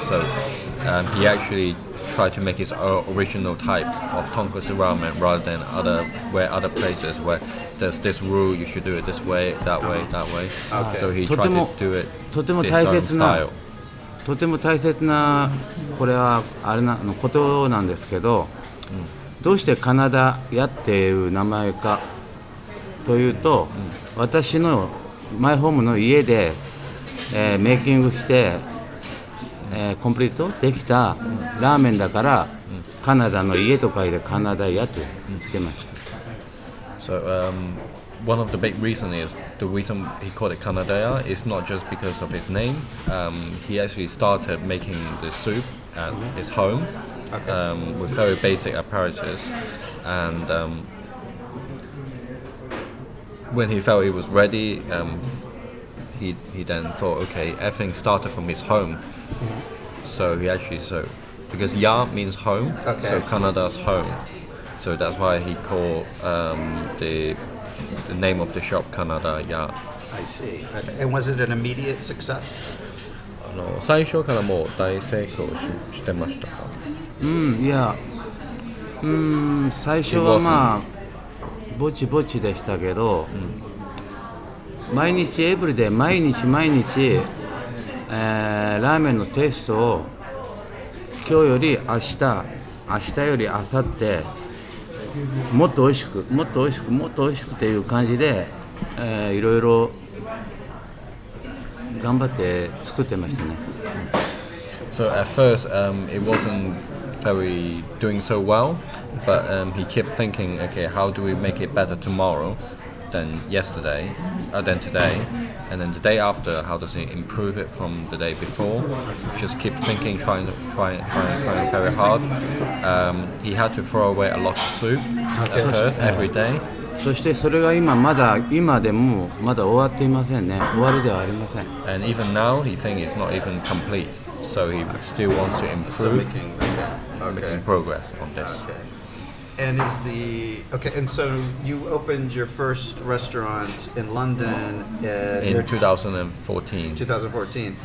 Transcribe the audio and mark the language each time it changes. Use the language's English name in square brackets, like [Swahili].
[English] So, he actually tried to make his original type of tonkotsu ramen rather than other places where there's this rule, you should do it this way, that way, that way. Okay. So he tried to do it [Japanese] とても大切な、とても大切な、これはあれなのことなんですけど、どうしてカナダ屋っていう名前かというと、私のマイホームの家で、メイキングして、コンプリートできたラーメンだから、カナダの家と書いてカナダ屋とつけました。 [English] So, one of the big reasons is the reason he called it Kaneda Ya is not just because of his name. He actually started making the soup at his home with very basic apparatus. And when he felt it was ready, he then thought, okay, everything started from his home. So he actually, because Ya means home, so Kaneda's home. So that's why he called the name of the shop Kaneda Ya. I see. And was it an immediate success? [Japanese] 最初からもう大成功してましたか? いや、最初はまあぼちぼちでしたけど、毎日エブリデイ毎日毎日、ラーメンのテストを今日より明日、明日より明後日もっと美味しくもっと美味しくもっと美味しくっていう感じで、いろいろ頑張って作ってましたね。 [English] So at first, it wasn't very doing so well, but he kept thinking, okay, how do we make it better tomorrow than yesterday, than today, and then the day after, how does he improve it from the day before? Just keep thinking, trying very hard. He had to throw away a lot of soup at first every day. [Japanese] そしてそれが今でもまだ終わっていませんね。終わりではありません。 [English] And even now, he thinks it's not even complete. So he still wants to improve, making progress on this. And so you opened your first restaurant in London in 2014.